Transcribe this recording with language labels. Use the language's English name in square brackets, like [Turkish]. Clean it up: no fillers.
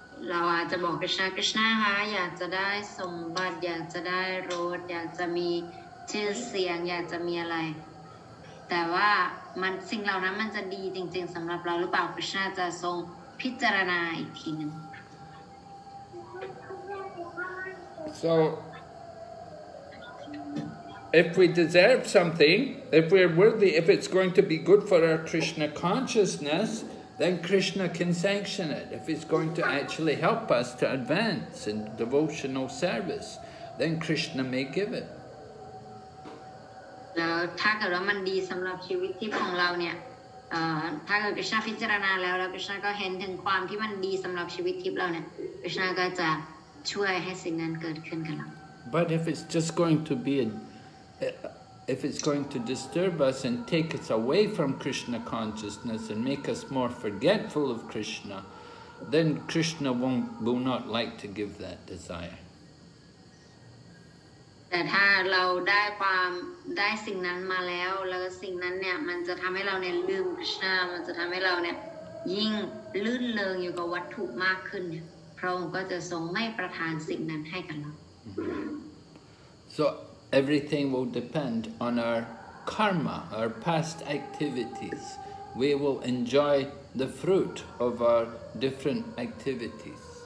[Thai] เราอาจจะบอกคริสนะคะอยากจะได้สมบัติอยากจะได้รถอยากจะมีชื่อเสียงอยากจะมีอะไรแต่ว่ามันสิ่งเหล่านั้นมันจะดีจริงๆสำหรับเราหรือเปล่าคริสต์น่าจะทรงพิจารณาอีกทีนึง [English] So if we deserve something if we're worthy if it's going to be good for our Krishna consciousness then Krishna can sanction it if it's going to actually help us to advance in devotional service then Krishna may give it [Thai] แล้วถ้าเกิดว่ามันดีสำหรับชีวิตทิพย์ของเราเนี่ยถ้าเกิดคริสต์น่าพิจารณาแล้วคริสต์น่าก็เห็นถึงความที่มันดีสำหรับชีวิตทิพย์เราเนี่ยคริสต์น่าก็จะช่วยให้สิ่งนั้นเกิดขึ้นกับเรา [English] But if it's just going to be if it's going to disturb us and take us away from Krishna consciousness and make us more forgetful of Krishna, then Krishna will not like to give that desire. [Thai] แต่ถ้าเราได้ความได้สิ่งนั้นมาแล้วแล้วสิ่งนั้นเนี่ยมันจะทำให้เราเนี่ยลืมคริสต์น่ามันจะทำให้เราเนี่ยยิ่งลื่นเลงอยู่กับวัตถุมากขึ้นเนี่ยพระองค์ก็จะทรงไม่ประทานสิ่งนั้นให้กับเรา [English] So everything will depend on our karma, our past activities. We will enjoy the fruit of our different activities.